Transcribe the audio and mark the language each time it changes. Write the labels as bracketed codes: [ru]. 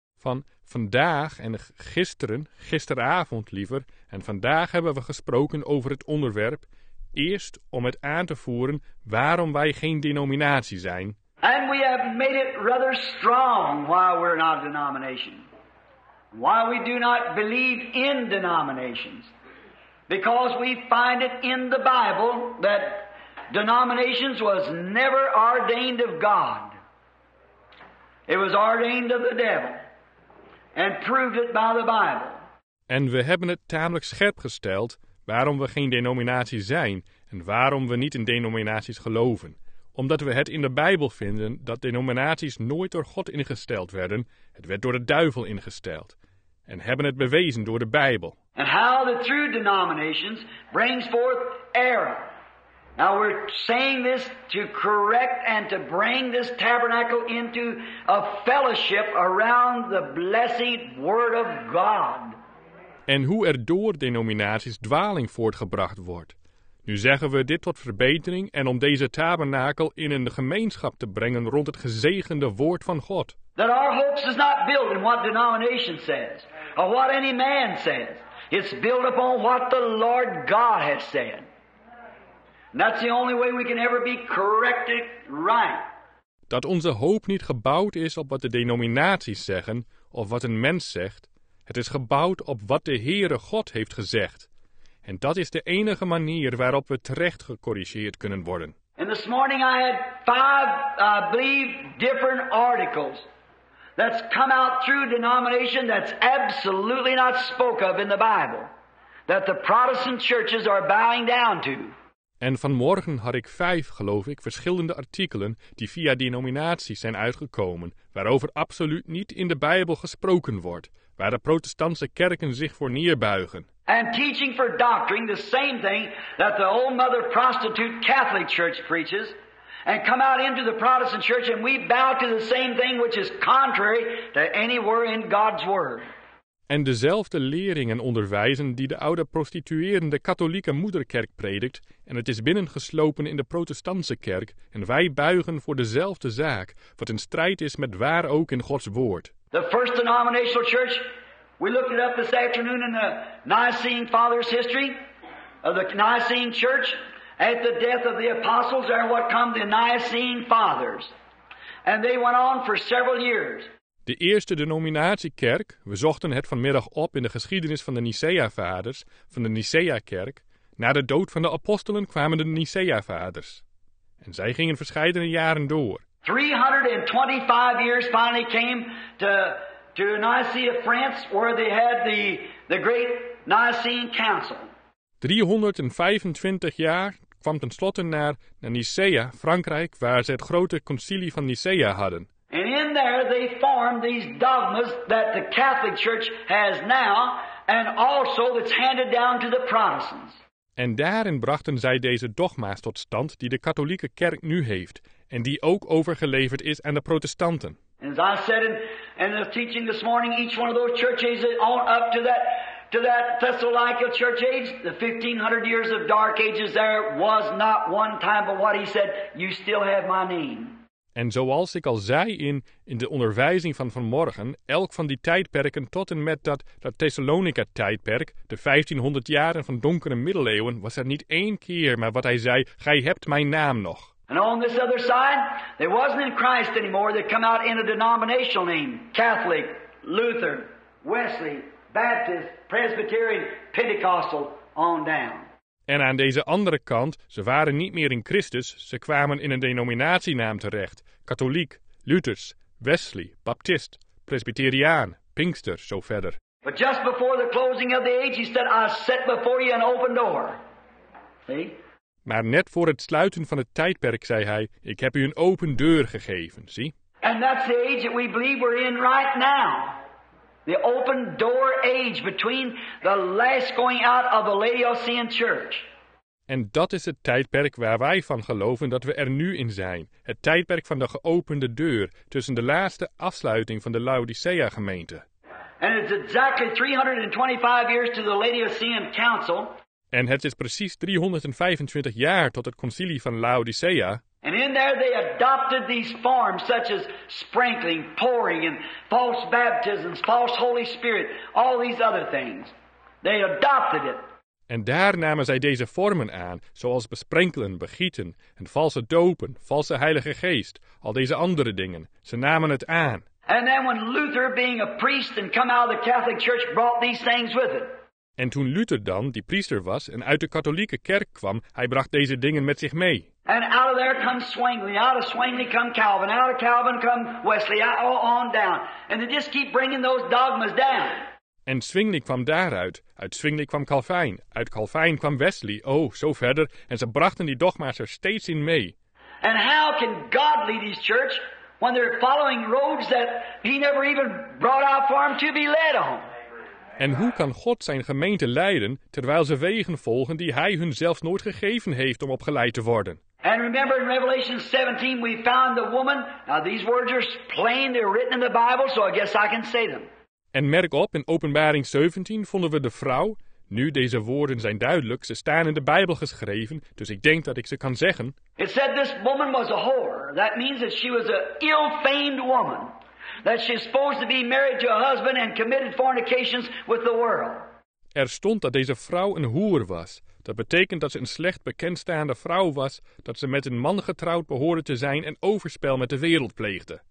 [nl] Van vandaag en gisteravond liever, en vandaag hebben we gesproken over het onderwerp, eerst om het aan te voeren waarom wij geen denominatie zijn. [en] And we have made it rather strong why we're not a denomination. Why we do not believe in denominations. Because we find it in the Bible that denominations was never ordained of God. It was ordained of the devil. And proved it by the Bible. [nl] En we hebben het tamelijk scherp gesteld waarom we geen denominatie zijn en waarom we niet in denominaties geloven. Omdat we het in de Bijbel vinden dat denominaties nooit door God ingesteld werden, het werd door de duivel ingesteld. En hebben het bewezen door de Bijbel. [en] And how the true denominations brings forth error. Now we're saying this to correct and to bring this tabernacle into a fellowship around the blessed word of God. [nl] En hoe er door denominaties dwaling voortgebracht wordt. Nu zeggen we dit tot verbetering en om deze tabernakel in een gemeenschap te brengen rond het gezegende woord van God. [en] That our hopes is not built in what denomination says, or what any man says. It's built upon what the Lord God has said. And that's the only way we can ever be corrected right. [nl] Dat onze hoop niet gebouwd is op wat de denominaties zeggen, of wat een mens zegt. Het is gebouwd op wat de Heere God heeft gezegd. En dat is de enige manier waarop we terecht gecorrigeerd kunnen worden. [en] And this morning I had five, I believe, different articles that's come out through denomination that's absolutely not spoke of in the Bible, that the Protestant churches are bowing down to. [nl] En vanmorgen had ik 5, geloof ik, verschillende artikelen die via denominaties zijn uitgekomen, waarover absoluut niet in de Bijbel gesproken wordt, waar de protestantse kerken zich voor neerbuigen. [en] And teaching for doctrine the same thing that the old mother prostitute Catholic Church preaches, and come out into the Protestant Church and we bow to the same thing which is contrary to anywhere in God's Word. [nl] En dezelfde lering en onderwijzen die de oude prostituerende katholieke moederkerk predikt, en het is binnengeslopen in de protestantse kerk, en wij buigen voor dezelfde zaak, wat in strijd is met waar ook in Gods Woord. [en] The first denominational church. We looked it up this afternoon in the Nicene Fathers' history of the Nicene Church at the death of the apostles and what come the Nicene Fathers. And they went on for several years. [nl] De eerste denominatiekerk, we zochten het vanmiddag op in de geschiedenis van de Nicea-vaders, van de Nicea-kerk. Na de dood van de apostelen kwamen de Nicea-vaders. En zij gingen verscheidene jaren door. [en] 325 years finally came to Nicaea, France, where they had the great Nicene Council. [nl] 325 jaar kwam tenslotte naar Nicea, Frankrijk, waar ze het grote concilie van Nicea hadden. [en] And in there they formed these dogmas that the Catholic Church has now, and also that's handed down to the Protestants. [nl] En daarin brachten zij deze dogma's tot stand die de katholieke kerk nu heeft, en die ook overgeleverd is aan de protestanten. [en] As I said in the teaching this morning, each one of those churches on up to that Thessalonica church age, the 1500 years of dark ages there was not one time but what he said, you still have my name. [nl] En zoals ik al zei in de onderwijzing van vanmorgen, elk van die tijdperken tot en met dat Thessalonica tijdperk, de 1500 jaren van donkere middeleeuwen, was er niet één keer maar wat hij zei, gij hebt mijn naam nog. [en] And on this other side, they wasn't in Christ anymore. They come out in a denominational name. Catholic, Lutheran, Wesley, Baptist, Presbyterian, Pentecostal, on down. [nl] En aan deze andere kant, ze waren niet meer in Christus. Ze kwamen in een denominatienaam terecht. Katholiek, Luthers, Wesley, Baptist, Presbyteriaan, Pinkster, zo verder. [en] But just before the closing of the age, he said, I set before you an open door. See? [nl] Maar net voor het sluiten van het tijdperk zei hij, ik heb u een open deur gegeven, zie. [en] And that's the age that we believe we're in right now. The open door age between the last going out of the Laodicean church. [nl] En dat is het tijdperk waar wij van geloven dat we er nu in zijn. Het tijdperk van de geopende deur tussen de laatste afsluiting van de Laodicea gemeente. [en] And it's exactly 325 years to the Laodicean council. [nl] En het is precies 325 jaar tot het concilie van Laodicea. [en] And in there they adopted these forms such as sprinkling, pouring and false baptisms, false Holy Spirit, all these other things. They adopted it. [nl] En daar namen zij deze vormen aan, zoals besprenkelen, begieten en valse dopen, valse Heilige Geest, al deze andere dingen. Ze namen het aan. [en] And then when Luther, being a priest and come out of the Catholic Church, brought these things with it. [nl] En toen Luther dan, die priester was en uit de katholieke kerk kwam, hij bracht deze dingen met zich mee. [en] And out of there comes Swingley, out of Swingley come Calvin, out of Calvin come Wesley, on down. And they just keep bringing those dogmas down. [nl] En Swingley kwam daaruit, uit Swingley kwam Calvin, uit Calvin kwam Wesley, oh, zo verder. En ze brachten die dogma's er steeds in mee. [en] And how can God lead his church when they're following roads that he never even brought out for them to be led on? [nl] En hoe kan God zijn gemeente leiden terwijl ze wegen volgen die hij hun zelf nooit gegeven heeft om opgeleid te worden? [en] And remember in Revelation 17 we found the woman. Now these words are plain, they're written in the Bible, so I guess I can say them. [nl] En merk op, in Openbaring 17 vonden we de vrouw. Nu, deze woorden zijn duidelijk, ze staan in de Bijbel geschreven, dus ik denk dat ik ze kan zeggen. [en] It said this woman was a whore. That means that she was an ill-famed woman. That she is supposed to be married to a husband and committed fornications with the world. [nl] Er stond dat deze vrouw een hoer was. Dat betekent dat ze een slecht bekendstaande vrouw was, dat ze met een man getrouwd behoorde te zijn en overspel met de wereld pleegde.